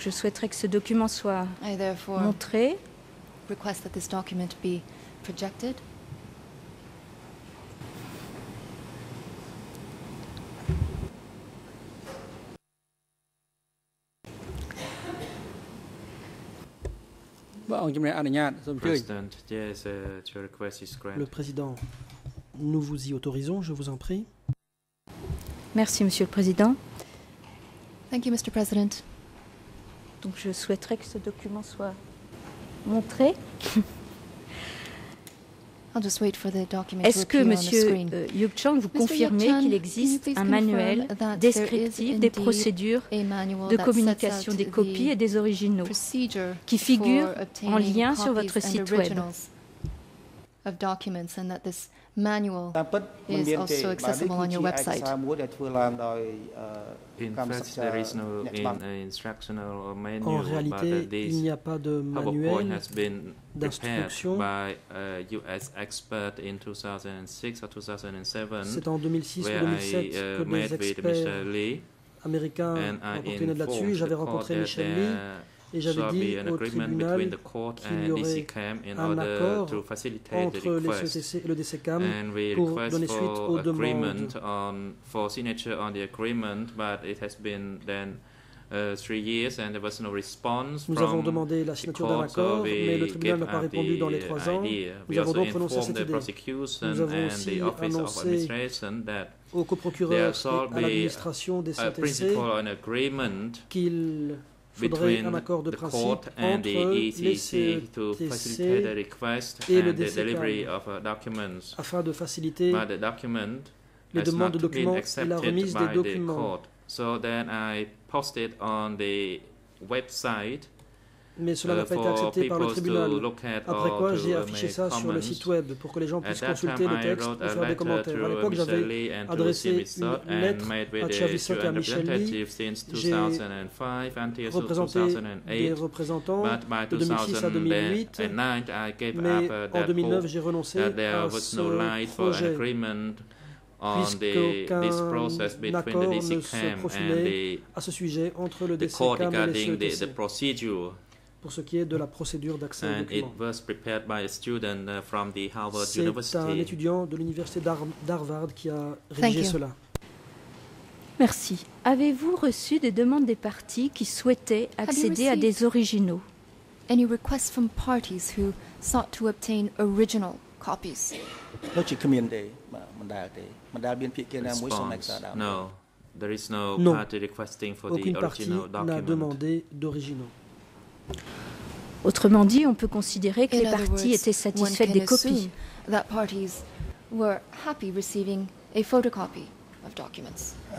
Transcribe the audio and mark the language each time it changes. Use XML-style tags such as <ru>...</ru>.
<fr>je souhaiterais que ce document soit montré.</fr> <en>Request that this document be projected.</en> <fr>Le Président, nous vous y autorisons, je vous en prie. Merci, Monsieur le Président.</fr> <en>Thank you, Mr. President.</en> <fr>Donc, je souhaiterais que ce document soit montré.</fr> <en>I'll just wait for the document.</en> <fr>Est-ce que, Monsieur Yuk Chang, vous confirmez qu'il existe un manuel descriptif des procédures de communication des copies et des originaux qui figure en lien sur votre site web?</fr> <en>Of documents and that this manual is also accessible on your website.</en> <fr>En réalité, il n'y a pas de manuel d'instruction. C'est en 2006 ou 2007 que des experts américains ont rapporté une aide là-dessus. J'avais rencontré Michel Lee. Et j'avais dit au tribunal qu'il y aurait un accord entre les CETC et le DCCAM pour donner suite aux demandes.</fr> <en>For signature on the agreement, but it has been then 3 years and there was no response.</en> <fr>Nous avons demandé la signature d'un accord, mais le tribunal n'a pas répondu dans les 3 ans. Nous avons donc renoncé à cette idée. Nous avons aussi annoncé au coprocureur et à l'administration des CETC qu'il faudrait un accord de principe entre</fr> <en>the ECC to facilitate the request</en> <fr>et le DCCAM,</fr> <en>the delivery of documents,</en> <fr>afin de faciliter les demandes de documents et la remise des documents.</fr> <en>So then I posted on the website.</en> <fr>Mais cela n'a pas été accepté par le tribunal. Après quoi, j'ai affiché ça sur le site web pour que les gens puissent consulter le texte et faire des commentaires. À l'époque, j'avais adressé une lettre à Chavisot et à Michel Lee. J'ai représenté des représentants de 2006 à 2008, mais en 2009, j'ai renoncé à ce projet puisqu'aucun accord ne se profilait à ce sujet entre le DCCAM et le CETC. Pour ce qui est de la procédure d'accès aux documents.</fr> <en>It was prepared by a student from the Harvard</en> <fr>C'est</fr> <en>University.</en> <fr>Un étudiant de l'université d'Harvard qui a rédigé cela. Merci. Avez-vous reçu des demandes des parties qui souhaitaient accéder à des originaux?</fr> <en>Any requests from parties who sought to obtain original copies? No. There is no party requesting for</en> <fr>Aucune</fr> <en>the original document.</en> <fr>Aucune partie n'a demandé d'originaux. Autrement dit, on peut considérer que les parties étaient satisfaites des copies.</fr> <en>That parties were happy receiving a photocopy of documents.</en>